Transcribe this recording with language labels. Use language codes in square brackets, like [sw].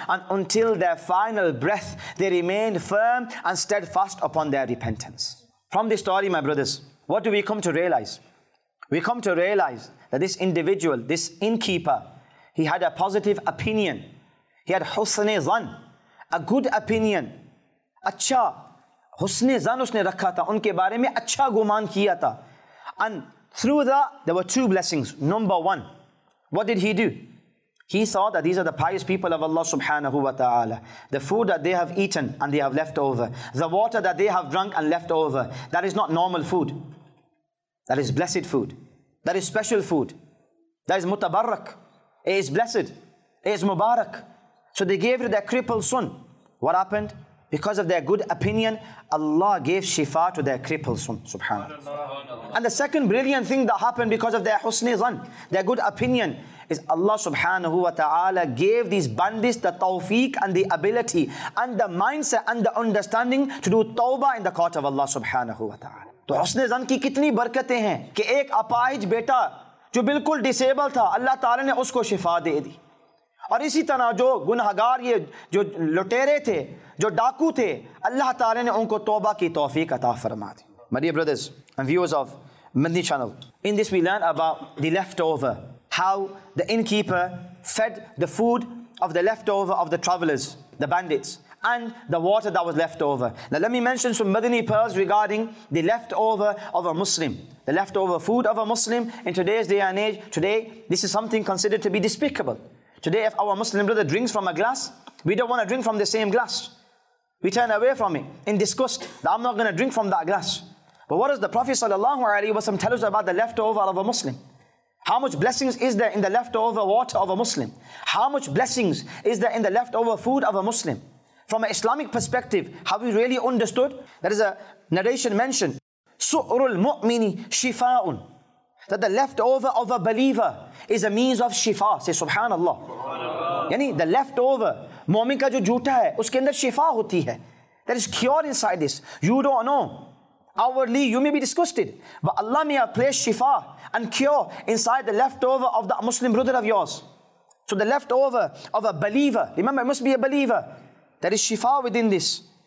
[en] And until their final breath, they remained firm and steadfast upon their repentance. From this story, my brothers, what do we come to realize? We come to realize that this individual, this innkeeper, he had a positive opinion. He had husne dhan, a good opinion. [ur] اچھا، حسن ظن اس نے رکھا تھا، ان کے بارے میں اچھا گمان کیا تھا۔ [en] And through that, there were two blessings. Number one, what did he do? He thought that these are the pious people of Allah subhanahu wa ta'ala. The food that they have eaten and they have left over. The water that they have drunk and left over. That is not normal food. That is blessed food. That is special food. That is mutabarak. It is blessed. It is mubarak. So they gave it to their crippled son. What happened? Because of their good opinion, Allah gave shifa to their cripples. Subhanallah. And the second brilliant thing that happened because of their husni zan, their good opinion, is Allah subhanahu wa ta'ala gave these bandits the tawfiq and the ability and the mindset and the understanding to do tawbah in the court of Allah subhanahu wa ta'ala. [ur] تو حسن ظن کی کتنی برکتیں ہیں کہ ایک اپاہج بیٹا جو بالکل disabled تھا، اللہ تعالیٰ نے اس کو شفا دے دی۔ اور اسی طرح جو گناہگار یہ جو لٹیرے تھے، جو ڈاکو تھے، اللہ تعالیٰ نے ان کو توبہ کی توفیق عطا فرما دی۔ [en] My dear brothers and viewers of Madni channel, in this we learn about the leftover. How the innkeeper fed the food of the leftover of the travelers, the bandits, and the water that was left over. Now let me mention some Madani pearls regarding the leftover of a Muslim. The leftover food of a Muslim in today's day and age, today this is something considered to be despicable. Today if our Muslim brother drinks from a glass, we don't want to drink from the same glass. We turn away from it in disgust that I'm not going to drink from that glass. But what does the Prophet sallallahu alaihi wasallam tell us about the leftover of a Muslim? How much blessings is there in the leftover water of a Muslim? How much blessings is there in the leftover food of a Muslim? From an Islamic perspective, have we really understood? There is a narration mentioned, [ar] سُعْرُ الْمُؤْمِنِ شِفَاءٌ, [en] that the leftover of a believer is a means of shifa. Say subhanallah. [ur] یعنی [en] the leftover، [ur] مومن کا جو جوٹھا ہے، اس کے اندر شفا ہوتی ہے۔ [en] There is cure inside this. You don't know. Outwardly, you may be disgusted, but Allah may have placed shifa and cure inside the leftover of that Muslim brother of yours. So the leftover of a believer, remember it must be a believer, there is shifa within this.